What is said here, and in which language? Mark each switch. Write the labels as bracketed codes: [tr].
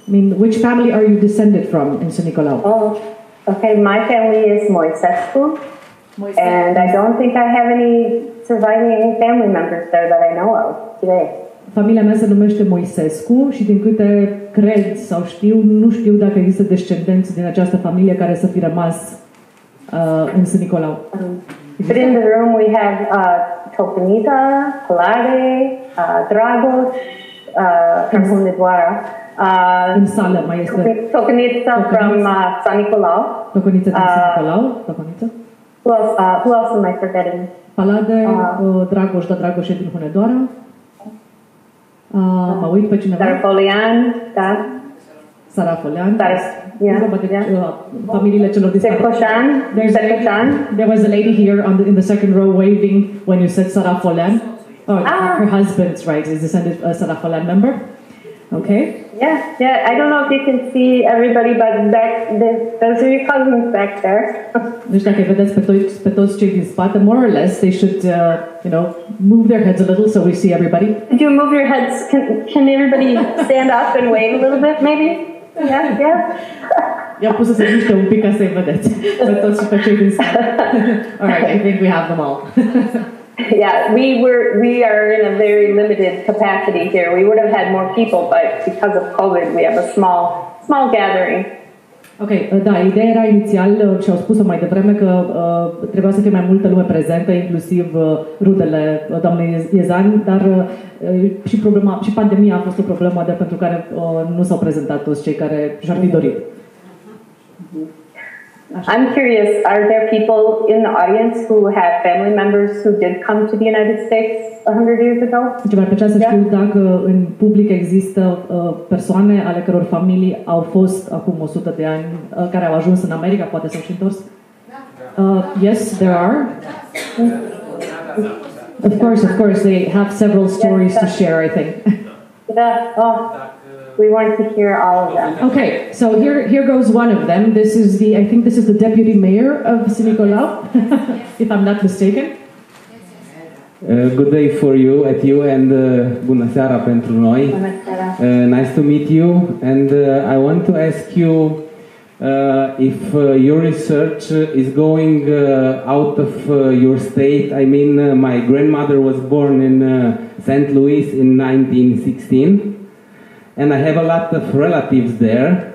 [en] I mean, which family are you descended from in Sânnicolau? Oh, okay. My family is Moisescu, and I don't think I have any surviving family members there that I know of today. [ro] Familia mea se numește Moisescu și din câte cred sau știu, nu știu dacă există descendenți din această familie care să fi rămas în Sânnicolau. [en] But in the room we have Tocanita, Pilare, Dragos, from Hunedoara. [ro] În sală mai este [en] Tocanita from Sânnicolau. [ro] Tocanita din Sânnicolau, Tocanita. [en] Who else am I forgetting? [ro] Pilare, Dragos, da, Dragos e din Hunedoara. Mă uit pe cineva. Sarafolian, da. Sarafolian. [en] Yeah. [ro] Familiile celor din Sarafolian. Sarafolian. [en] There was a lady here in the second row waving when you said Sarafolian. Oh, her husband's right. Is descended a Sarafolian member? Okay. Yeah. I don't know if you can see everybody, but those are your cousins back there. [ro] Nu știu dacă îi vedeți pe toți cei din spate. [en] More or less, they should, you know, move their heads a little so we see everybody. If you move your heads, can everybody stand up and wave a little bit, maybe? Yeah. I put some things to pick us up that. But those are the things. All right, I think we have them all. Yeah, we are in a very limited capacity here. We would have had more people, but because of COVID, we have a small gathering. [ro] Okay, da, ideea era inițial și au spus-o mai devreme că trebuia să fie mai multă lume prezentă, inclusiv rudele doamnei Iezan, dar și pandemia a fost o problemă de pentru care nu s-au prezentat toți cei care și-ar fi dorit. Așa. [en] I'm curious, are there people in the audience who have family members who did come to the United States 100 years ago? [ro] Deci, m-ar plăcea să știu dacă în public există persoane ale căror familii au fost acum 100 de ani, care au ajuns în America, poate s-au și întors? [en] Yes, there are. Of course, they have several stories to share, I think. We want to hear all of them. Okay, so here goes one of them. This is the, I think this is the deputy mayor of Sânnicolau, if I'm not mistaken. Good day for you at you and [ro] bună seara pentru noi. Bună seara. [en] Nice to meet you. And I want to ask you, Your research is going out of your state, I mean, my grandmother was born in St. Louis in 1916, and I have a lot of relatives there.